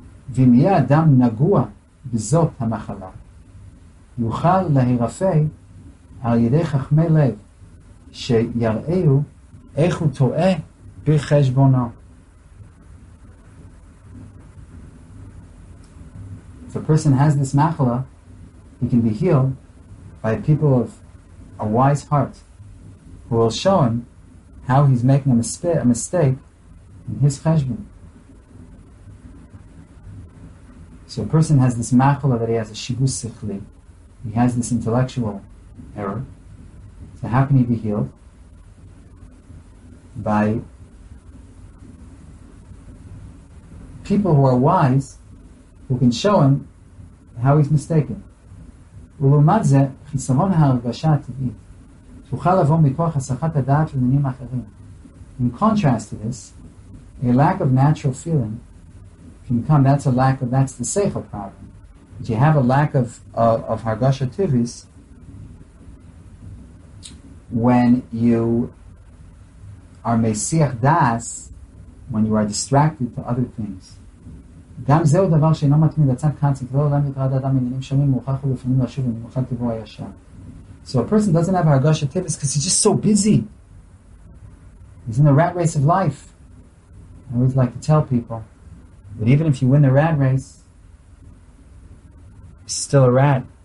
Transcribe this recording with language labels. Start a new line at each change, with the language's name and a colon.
Hebrew: ומיה אדם נגוע בזאת המחלה יוכל להירפא על ידי חכמי לב שיראהו איך הוא טועה בחשבונו.
English: If a person has this machla, he can be healed by people of a wise heart who will show him how he's making a mistake in his cheshbon. So a person has this machla that he has a shibus sikhli. He has this intellectual error. So how can he be healed? By people who are wise, who can show him how he's mistaken.
Hebrew: ולעומת זה, חיסרון ההרגשה הטבעית תוכל לבוא מכוח הסחת הדעת למינים אחרים.
English: In contrast to this, a lack of natural feeling can come, that's the seichel problem. If you have a lack of hargasha tivis, when you are mesiach das, when you are distracted to other things.
Hebrew: גם זהו דבר שאינו מתמיד, הצד קאנצי, כבר עולם יתרד אדם עניינים שונים, מוכרח ולפעמים לשוב ומוכרח לבוא הישר.
English: So a person doesn't have a hargash of tibis because he's just so busy. He's in the rat race of life. I always like to tell people that even if you win the rat race, you're still a rat.